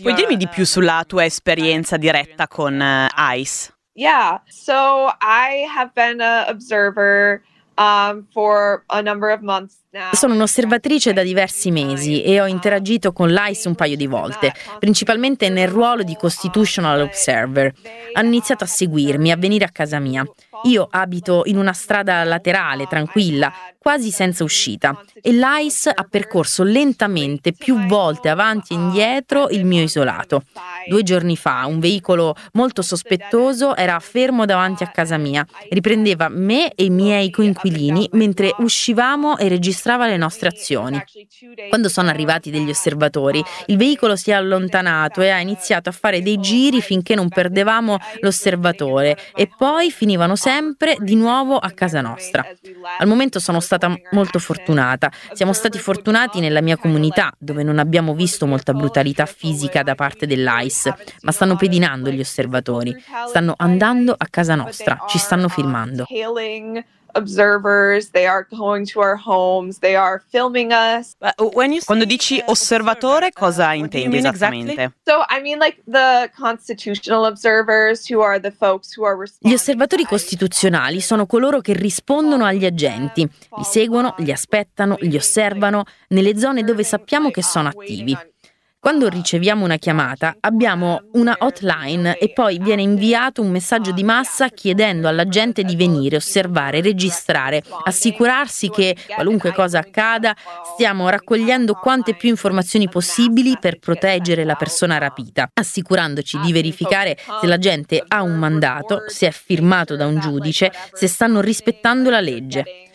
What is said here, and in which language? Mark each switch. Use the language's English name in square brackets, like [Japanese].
[Italian] puoi dirmi di più sulla tua esperienza diretta con ICE? [English] Yeah. So I have been an observer for a number of months. [Italian] Sono un'osservatrice da diversi mesi e ho interagito con l'ICE un paio di volte, principalmente nel ruolo di Constitutional Observer. Hanno iniziato a seguirmi, a venire a casa mia. Io abito in una strada laterale, tranquilla, quasi senza uscita, e l'ICE ha percorso lentamente più volte avanti e indietro il mio isolato. Due giorni fa un veicolo molto sospettoso era fermo davanti a casa mia, riprendeva me e i miei coinquilini mentre uscivamo e registrava le nostre azioni. Quando sono arrivati degli osservatori, il veicolo si è allontanato e ha iniziato a fare dei giri finché non perdevamo l'osservatore e poi finivano sempre di nuovo a casa nostra. Al momento sono stata molto fortunata. Siamo stati fortunati nella mia comunità, dove non abbiamo visto molta brutalità fisica da parte dell'ICE, ma stanno pedinando gli osservatori. Stanno andando a casa nostra, ci stanno filmando. [English] Observers, they are going to our homes, they are filming us. [Italian] Quando dici osservatore, cosa intendi esattamente? [English] So I mean like the constitutional observers who are the folks who are responding. [Italian] Gli osservatori costituzionali sono coloro che rispondono agli agenti, li seguono, li aspettano, li osservano nelle zone dove sappiamo che sono attivi. Quando riceviamo una chiamata, abbiamo una hotline e poi viene inviato un messaggio di massa chiedendo alla gente di venire, osservare, registrare, assicurarsi che, qualunque cosa accada, stiamo raccogliendo quante più informazioni possibili per proteggere la persona rapita, assicurandoci di verificare se la gente ha un mandato, se è firmato da un giudice, se stanno rispettando la legge.